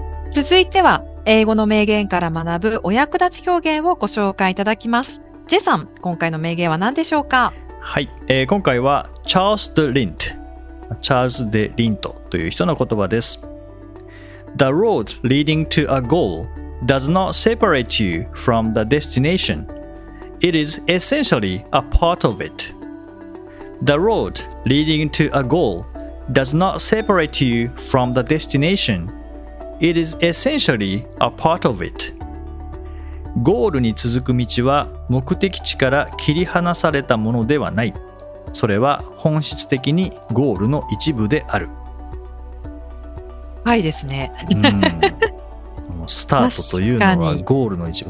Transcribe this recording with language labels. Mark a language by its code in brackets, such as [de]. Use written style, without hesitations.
[ja] 続いては英語の名言から学ぶお役立ち表現をご紹介いただきます。ジェさん、今回の名言は何でしょうか？はい、今回はチャールズ・デ・リント、チャールズ・デ・リントという人の言葉です。 [en] The road leading to a goal does not separate you from the destination. It is essentially a part of it. The road leading to a goal does not separate you from the destination. It is essentially a part of it. [ja] ゴールに続く道は目的地から切り離されたものではない。それは本質的にゴールの一部である。はいですね。うん、スタートというのはゴールの一部。